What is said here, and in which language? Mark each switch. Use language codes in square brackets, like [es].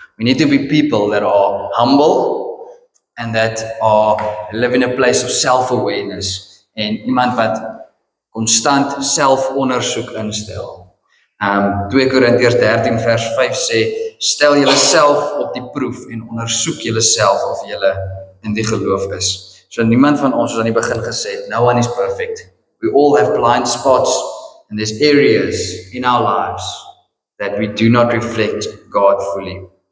[af] We need to be people that are humble and that are living in a place of self-awareness en iemand wat constant selfondersoek instel. 2 Korintiërs 13 vers 5 sê, stel jouself op die proef en ondersoek jouself of jy in die geloof is. So niemand van ons het aan die begin gesê, [en] no one is perfect. We all have blind spots and there's areas in our lives that we do not reflect God fully.